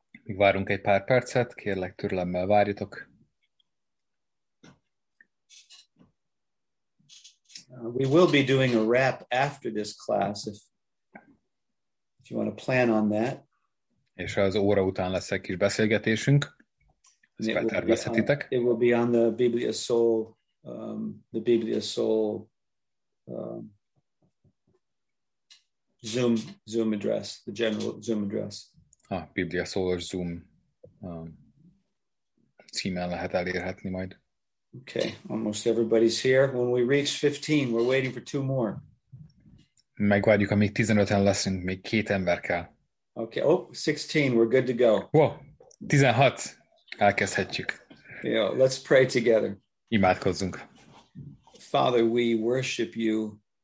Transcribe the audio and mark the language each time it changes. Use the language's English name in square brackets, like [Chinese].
[Hungarian] Várunk egy pár percet, kérlek türelemmel várjatok. [English] We will be doing a wrap after this class, if you want to plan on that. [Hungarian] És az óra után lesz egy kis beszélgetésünk. [English] It will be on the Biblia Soul, the Biblia Soul, Zoom address, the general Zoom address. [Hungarian] Ah, Biblia Solar Zoom címen lehet elérhetni majd. [English] Okay, almost everybody's here. When we reach 15, we're waiting for two more. [Hungarian] Megvárjuk, amíg 15-en leszünk, még két ember kell. [English] Okay, oh, 16, we're good to go. [Hungarian] Whoa, 16, elkezdhetjük. [English] Yeah, let's pray together. [Hungarian] Imádkozzunk. [English] Father, we worship you.